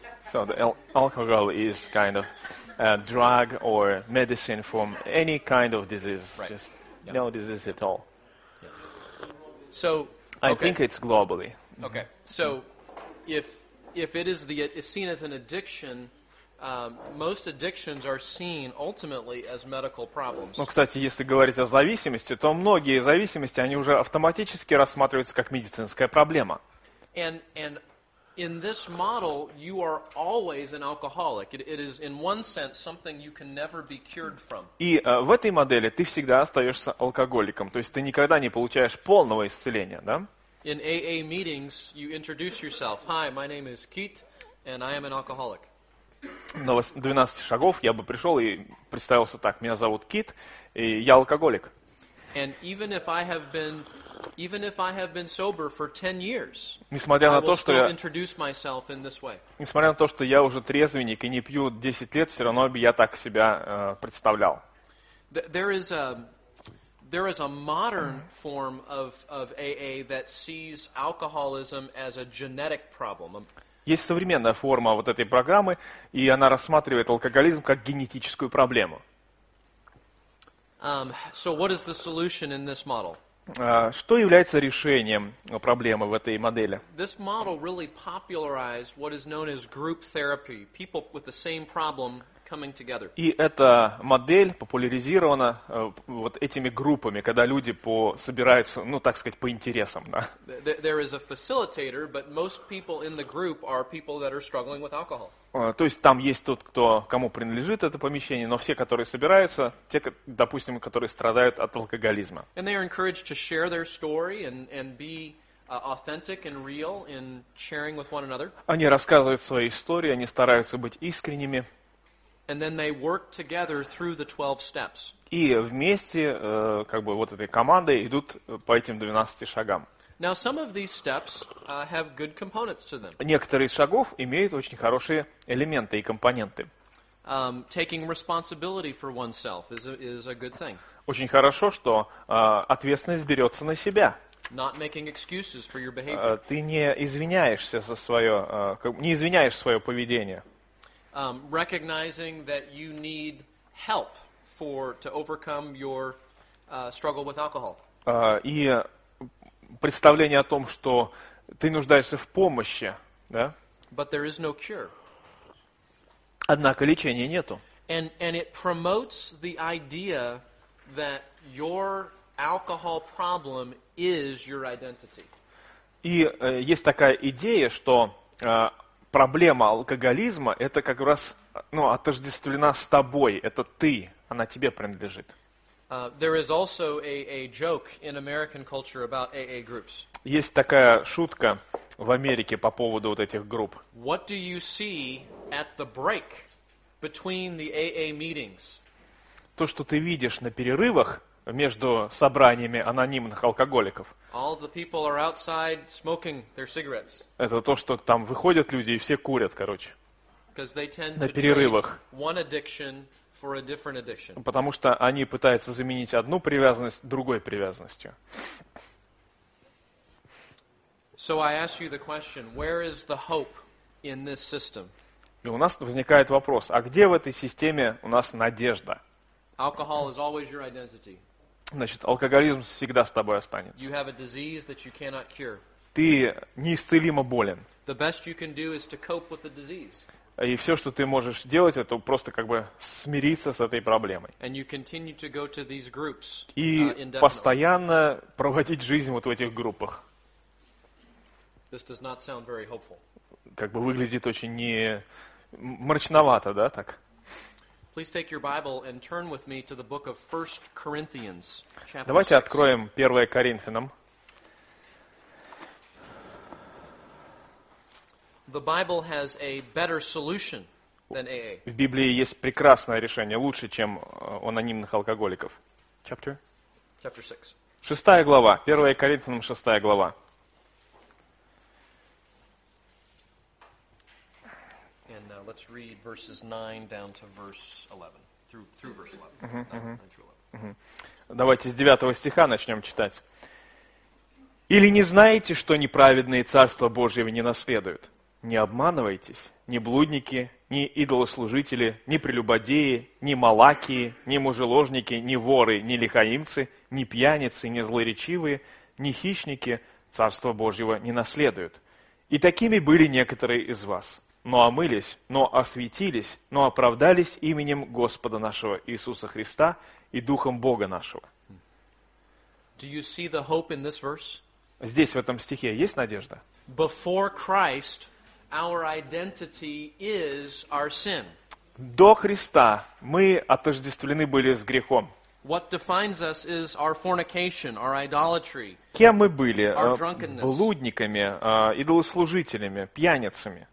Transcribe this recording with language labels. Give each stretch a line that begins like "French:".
English: So the alcohol is kind of a drug or medicine from any kind of disease, right. Just yeah. No disease at all. Yeah. So I think it's globally. Okay. So if it is it's seen as an addiction, most addictions are seen ultimately as medical problems.
Russian: Ну, кстати, если говорить о зависимости, то многие зависимости они уже автоматически рассматриваются как медицинская проблема.
English: And in this model, you are always an alcoholic. It is, in one sense, something you can never be cured from.
Russian: И в этой модели ты всегда остаешься алкоголиком. То есть ты никогда не получаешь полного исцеления, да?
English: In AA meetings, you introduce yourself. Hi, my name is Keith, and I am an alcoholic.
Russian: На 12 шагов я бы пришел и представился так. Меня зовут Кит, и я алкоголик.
English: And even if I have been... Even if I have been sober for 10 years,
Russian: несмотря на то, что я
English: introduce myself in this way.
Russian: Несмотря на то, что я уже трезвенник и не пью 10 лет, все равно бы я так себя представлял.
English: There is a modern form of AA that sees alcoholism as a genetic problem.
Russian: Есть современная форма вот этой программы, и она рассматривает алкоголизм как генетическую проблему.
English: So what is the solution in this model?
Russian: Что является решением проблемы в этой модели?
English: This model really popularized what is known as group therapy, people with the same problem coming together.
Russian: И эта модель популяризирована вот этими группами, когда люди собираются, ну, так сказать, по интересам, да.
English: There is a facilitator, but most people in the group are people that are struggling with alcohol.
Russian: То есть там есть тот, кому принадлежит это помещение, но все, которые собираются, те, допустим, которые страдают от алкоголизма.
English: And they are encouraged to share their story and be authentic and real in sharing with one another.
Russian: Они рассказывают свои истории, они стараются быть искренними.
English: And then they work together through the 12 steps.
Russian: И вместе, как бы, вот этой командой идут по этим 12 шагам.
English: Now some of these steps have good components to them.
Russian: Некоторые из шагов имеют очень хорошие элементы и компоненты.
English: Taking responsibility for oneself is a good thing.
Russian: Очень хорошо, что ответственность берется на себя.
English: Not making excuses for your behavior.
Russian: Ты не извиняешься за свое, не извиняешь свое поведение.
English: Recognizing that you need help to overcome your struggle with alcohol.
Russian: И представление о том, что ты нуждаешься в помощи, да?
English: But there is no cure.
Russian: Однако лечения нету.
English: And it promotes the idea that your alcohol problem is your identity.
Russian: И есть такая идея, что проблема алкоголизма – это как раз, ну, отождествлена с тобой, это ты, она тебе принадлежит.
English: There is also a joke in American culture about AA groups.
Russian: Есть такая шутка в Америке по поводу вот этих групп.
English: What do you see at the break between the AA meetings?
Russian: То, что ты видишь на перерывах между собраниями анонимных алкоголиков.
English: All the people are outside smoking their cigarettes.
Russian: Это то, что там выходят люди и все курят, короче.
English: Because they tend
Russian: на перерывах.
English: To drink one addiction for a different addiction.
Russian: Потому что они пытаются заменить одну привязанность другой привязанностью.
English: So I ask you the question, where is the hope in this system?
Russian: И у нас возникает вопрос, а где в этой системе у нас надежда?
English: Alcohol is always your identity.
Russian: Значит, алкоголизм всегда с тобой останется.
English: You have a disease that you cannot cure.
Russian: Ты неисцелимо болен.
English: The best you can do is to cope with the disease.
Russian: И все, что ты можешь делать, это просто как бы смириться с этой проблемой.
English: And you continue to go to these groups,
Russian: и постоянно проводить жизнь вот в этих группах.
English: This does not sound very hopeful.
Russian: Как бы выглядит очень не мрачновато, да, так?
English: Please take your Bible and turn with me to the book of 1 Corinthians, chapter 6.
Russian: Давайте откроем 1 Коринфянам.
English: The Bible has a better solution than AA.
Russian: В Библии есть прекрасное решение, лучше, чем у анонимных алкоголиков.
English: Chapter 6.
Russian: Шестая глава, 1 Коринфянам, шестая глава.
English: Let's read verses 9 down to verse 11, through verse 11.
Russian: Давайте с 9 стиха начнем читать. «Или не знаете, что неправедные Царства Божьего не наследуют? Не обманывайтесь, ни блудники, ни идолослужители, ни прелюбодеи, ни малакии, ни мужеложники, ни воры, ни лихаимцы, ни пьяницы, ни злоречивые, ни хищники Царства Божьего не наследуют. И такими были некоторые из вас». Но омылись, но освятились, но оправдались именем Господа нашего Иисуса Христа и Духом Бога нашего.
English: Do you see the hope in this verse?
Russian: Здесь, в этом стихе, есть надежда?
English: Before Christ, our identity is our sin.
Russian: До Христа мы отождествлены были с грехом.
English: What defines us is our fornication, our idolatry.
Russian: Кем мы были? Блудниками, идолослужителями, пьяницами.